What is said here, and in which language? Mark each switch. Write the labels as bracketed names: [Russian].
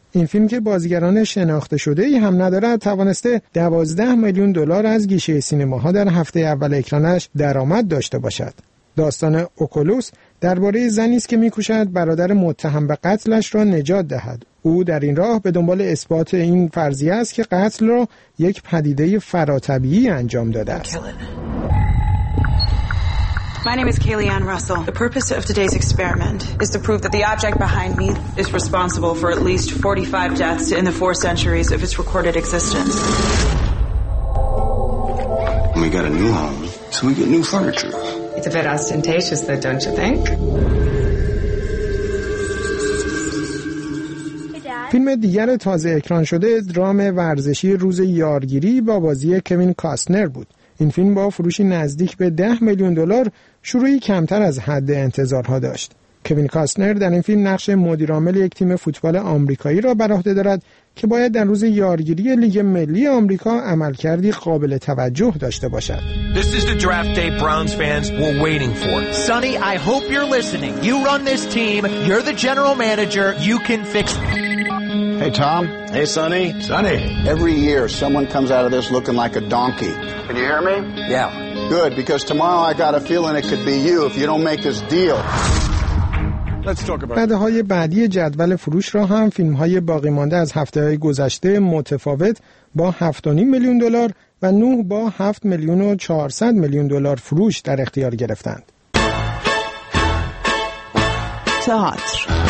[Persian] این فیلم که بازیگران شناخته شده‌ای هم ندارد توانسته 12 میلیون دلار از گیشه سینماها در هفته اول اکرانش درآمد داشته باشد. داستان اوکولوس درباره زنی است که می‌کوشد برادر متهم به قتلش را نجات دهد. او در این راه به دنبال اثبات این فرضیه است که قتل را یک پدیده فراطبیعی انجام داده است. [English] My name is Kaylian Russell. The purpose of today's experiment is to prove that the object behind me is responsible for at least 45 deaths in the 4 centuries of its recorded existence. We got a new home, so we get new furniture. It's a bit ostentatious though, don't you think? [Persian] فیلم دیگر تازه اکران شده درام ورزشی روز یارگیری با بازی کوین کاستنر بود. این فیلم با فروشی نزدیک به 10 میلیون دلار شروعی کمتر از حد انتظارها داشت. کوین کاستنر در این فیلم نقش مدیرعامل یک تیم فوتبال آمریکایی را بر عهده دارد که باید در روز یارگیری لیگ ملی آمریکا عملکردی قابل توجه داشته باشد. [English] This is the draft day Browns fans were waiting for. Sonny, I hope you're listening. You run this team. You're the general manager. You can fix Hey Tom. Hey Sonny. Sonny. Every year someone comes out of this looking like a donkey. Can you hear me? Yeah. Good, because tomorrow I got a feeling it could be you if you don't make this deal. Let's talk about. [Persian] رده‌های بعدی جدول فروش را هم فیلم‌های باقی مانده از هفته‌های گذشته متفاوت با 7.5 میلیون دلار و 9 با 7 میلیون و 400 میلیون دلار فروش در اختیار گرفتند. تئاتر.